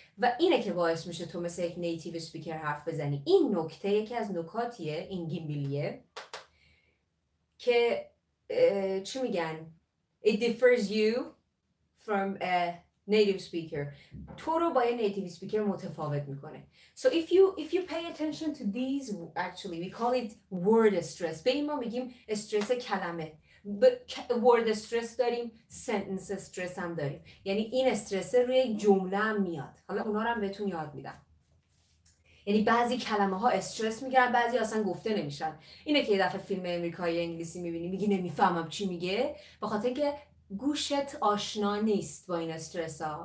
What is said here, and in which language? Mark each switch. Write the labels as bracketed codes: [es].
[fa] و اینه که باعث میشه تو مثل یک native speaker حرف بزنی. این نکته یکی از نکاتیه این گیمبلیه. که چی میگن؟ [en] It differs you from a native speaker. [fa] تو رو با یه native speaker متفاوت میکنه. [en] So if you pay attention to these, actually, we call it word stress. [fa] به این ما میگیم استرس کلمه. Word stress داریم, sentence stress هم داریم. یعنی این استرس روی جمله هم میاد. حالا اونا رو هم بهتون یاد میدم. یعنی بعضی کلمه ها استرس میگن، بعضی اصلا گفته نمیشن. اینه که یه دفعه فیلم امریکایی انگلیسی میبینی، میگی نمیفهمم چی میگه، بخاطر اینکه گوشت آشنا نیست با این استرس ها.